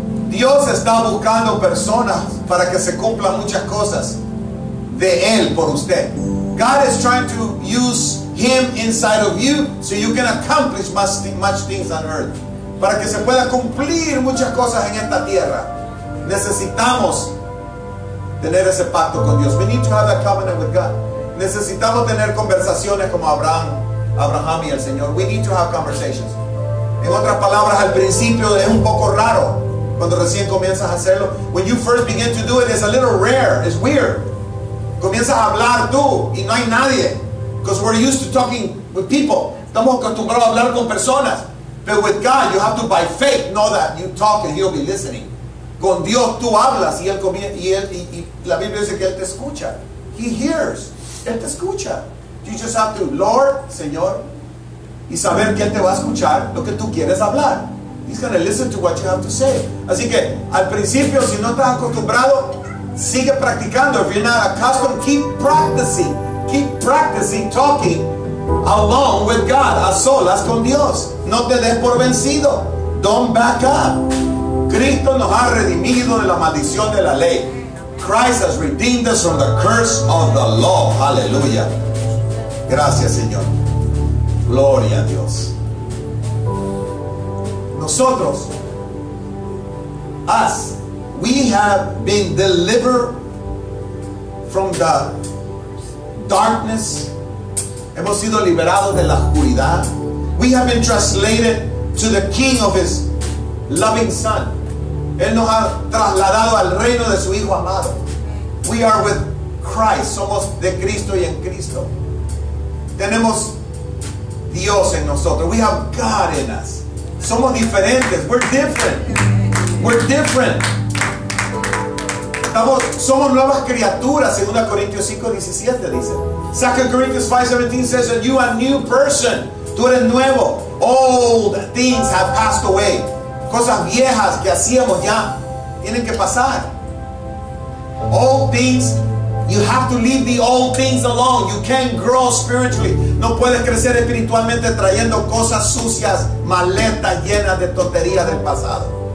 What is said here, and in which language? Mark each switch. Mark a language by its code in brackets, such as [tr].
[es] Dios está buscando personas para que se cumplan muchas cosas de Él por usted. [en] God is trying to use Him inside of you so you can accomplish much things on earth. [es] Para que se pueda cumplir muchas cosas en esta tierra. Necesitamos tener ese pacto con Dios. [en] We need to have that covenant with God. [es] Necesitamos tener conversaciones como Abraham y el Señor. [en] We need to have conversations. [es] En otras palabras, al principio es un poco raro cuando recién comienzas a hacerlo. [en] When you first begin to do it, it's a little rare. It's weird. [es] Comienzas a hablar tú y no hay nadie. [en] Because we're used to talking with people. [es] Estamos acostumbrados a hablar con personas. [en] But with God, you have to, by faith, know that you talk and He'll be listening. [es] Con Dios tú hablas y él y la Biblia dice que Él te escucha. [en] He hears. [es] Él te escucha. [en] You just have to, Lord, [es] Señor, y saber que Él te va a escuchar lo que tú quieres hablar. [en] He's going to listen to what you have to say. [es] Así que, al principio, si no estás acostumbrado, sigue practicando. [en] If you're not accustomed, keep practicing. Keep practicing talking alone with God, [es] a solas con Dios. No te des por vencido. [en] Don't back up. [es] Cristo nos ha redimido de la maldición de la ley. [en] Christ has redeemed us from the curse of the law. Hallelujah. [es] Gracias, Señor. Gloria a Dios. [en] Nosotros, us, we have been delivered from the darkness. [es] Hemos sido liberados de la oscuridad. [en] We have been translated to the King of His loving Son. [es] Él nos ha trasladado al reino de su Hijo amado. [en] We are with Christ. [es] Somos de Cristo y en Cristo. Tenemos Dios en nosotros. [en] We have God in us. [es] Somos diferentes. [en] We're different. We're different. [es] Somos nuevas criaturas. 2 Corintios 5:17 dice. [en] 2 Corintios 5:17 says that you are a new person. [es] Tú eres nuevo. [en] Old things have passed away. [es] Cosas viejas que hacíamos ya tienen que pasar. [en] Old things, you have to leave the old things alone. You can't grow spiritually. [es] No puedes crecer espiritualmente trayendo cosas sucias, maletas llenas de tontería del pasado.